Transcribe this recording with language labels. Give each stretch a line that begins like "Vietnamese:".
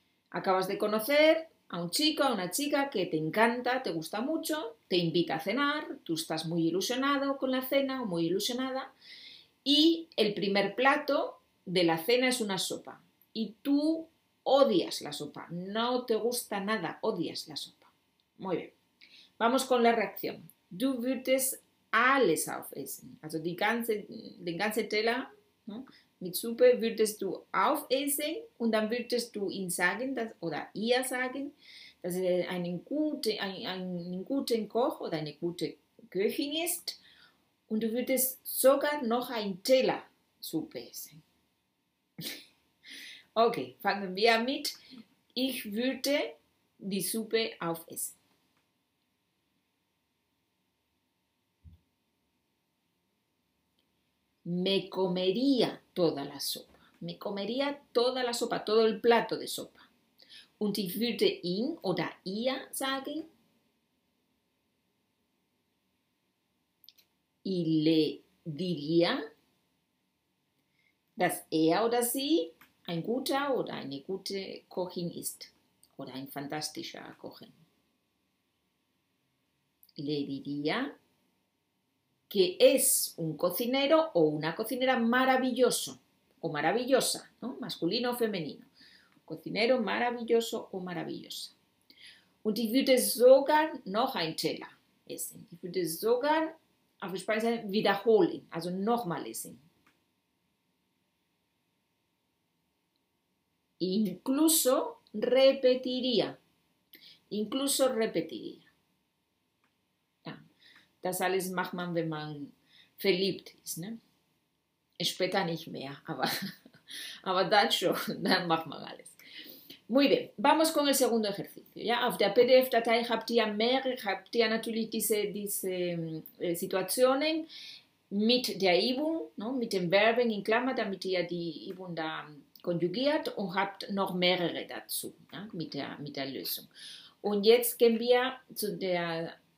Spanish: Acabas de conocer a un chico, a una chica que te encanta, te gusta mucho, te invita a cenar, tú estás muy ilusionado con la cena o muy ilusionada, y el primer plato de la cena es una sopa. Y tú odias la sopa, no te gusta nada, odias la sopa. Muy bien. Vamos con la reacción.
German: Du würdest alles aufessen. Also, den ganze Teller, ¿no? Mit Suppe würdest du aufessen und dann würdest du ihm sagen, dass, oder ihr sagen, dass er einen guten Koch oder eine gute Köchin ist und du würdest sogar noch einen Teller Suppe essen. Okay, fangen wir mit. Ich würde die Suppe aufessen.
Spanish: Me comería toda la sopa. Me comería toda la sopa, todo el plato de sopa.
German: Und ich würde ihn oder ihr sagen,
Spanish: y le diría,
German: dass er oder sie ein guter oder eine gute Kochin ist. Oder ein fantastischer Kochin.
Spanish: Le diría, que es un cocinero o una cocinera maravilloso o maravillosa, ¿no? Masculino o femenino. Cocinero maravilloso o maravillosa.
German: Und ich würde sogar noch ein Teller essen. Ich würde sogar auf Spanisch wiederholen, also nochmal essen.
Spanish: Incluso repetiría. Incluso repetiría.
German: Das alles macht man, wenn man verliebt ist. Ne? Später nicht mehr, aber dann schon. Dann macht man alles.
Spanish: Muy bien, vamos con el segundo ejercicio.
German: Ja? Auf der PDF-Datei habt ihr natürlich diese Situationen mit der Übung, no? Mit den Verben in Klammer, damit ihr die Übung da konjugiert und habt noch mehrere dazu, ja? Mit der Lösung. Und jetzt gehen wir zu der